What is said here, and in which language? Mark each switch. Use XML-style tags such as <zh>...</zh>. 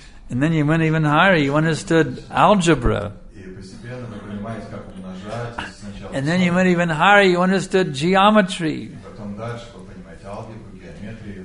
<en>And then you went even higher, you understood algebra.</en> <ru>И постепенно вы понимаете, как умножать.</ru> <en>And then you went even higher, you understood geometry.</en> <ru>Потом дальше вы понимаете алгебру, геометрию.</ru>